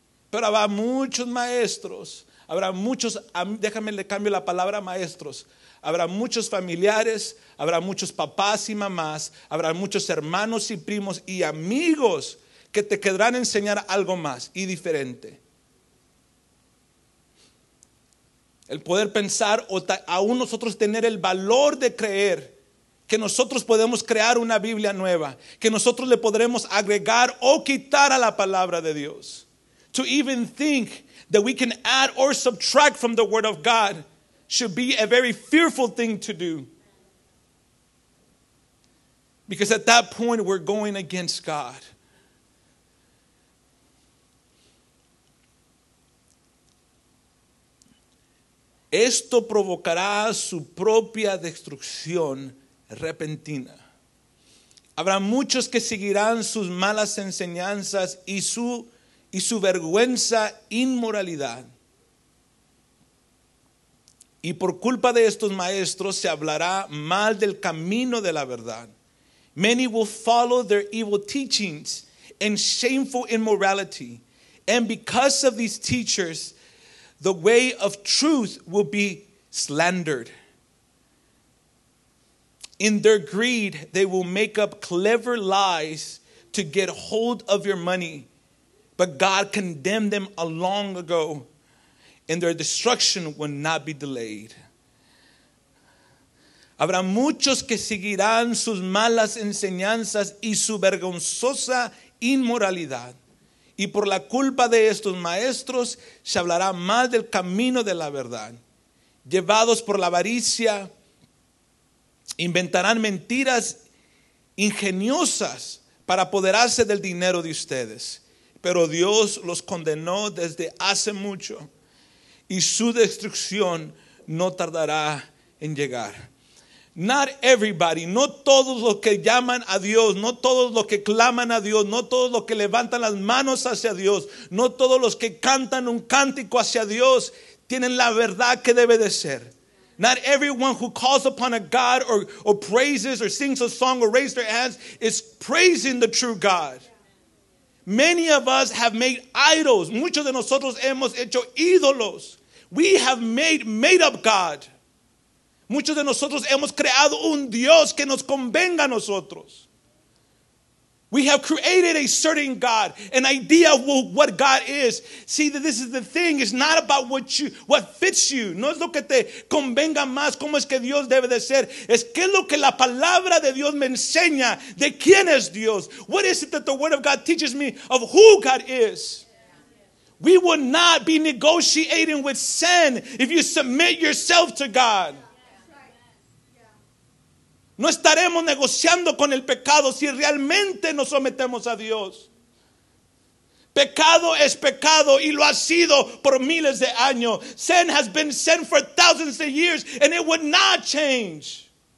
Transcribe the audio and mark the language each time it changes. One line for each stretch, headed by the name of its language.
Spanish: Pero habrá muchos maestros, déjame le cambio la palabra maestros, habrá muchos familiares, habrá muchos papás y mamás, habrá muchos hermanos y primos y amigos que te querrán enseñar algo más y diferente. El poder pensar o aún nosotros tener el valor de creer que nosotros podemos crear una Biblia nueva, que nosotros le podremos agregar o quitar a la palabra de Dios.
English: To even think that we can add or subtract from the Word of God should be a very fearful thing to do. Because at that point, we're going against God.
Spanish: Esto provocará su propia destrucción repentina. Habrá muchos que seguirán sus malas enseñanzas y su vergüenza, inmoralidad. Y por culpa de estos maestros se hablará mal del camino de la verdad.
English: Many will follow their evil teachings and shameful immorality. And because of these teachers, the way of truth will be slandered. In their greed, they will make up clever lies to get hold of your money. But God condemned them a long ago, and their destruction will not be delayed.
Spanish: Habrá muchos que seguirán sus malas enseñanzas y su vergonzosa inmoralidad. Y por la culpa de estos maestros, se hablará mal del camino de la verdad. Llevados por la avaricia, inventarán mentiras ingeniosas para apoderarse del dinero de ustedes. Pero Dios los condenó desde hace mucho y su destrucción no tardará en llegar.
English: Not everybody,
Spanish: no todos los que llaman a Dios, no todos los que claman a Dios, no todos los que levantan las manos hacia Dios, no todos los que cantan un cántico hacia Dios tienen la verdad que debe de ser.
English: Not everyone who calls upon a God or praises or sings a song or raises their hands is praising the true God. Many of us have made idols.
Spanish: Muchos de nosotros hemos hecho ídolos.
English: We have made up God.
Spanish: Muchos de nosotros hemos creado un Dios que nos convenga a nosotros.
English: We have created a certain God, an idea of what God is. See, that this is the thing. It's not about what fits you.
Spanish: No es lo que te convenga más, cómo es que Dios debe de ser. Es que es lo que la palabra de Dios me enseña de quién es Dios.
English: What is it that the Word of God teaches me of who God is? We would not be negotiating with sin if you submit yourself to God.
Spanish: No estaremos negociando con el pecado si realmente nos sometemos a Dios. Pecado es pecado y lo ha sido por miles de años.
English: Sin has been sin for thousands of years and it would not change.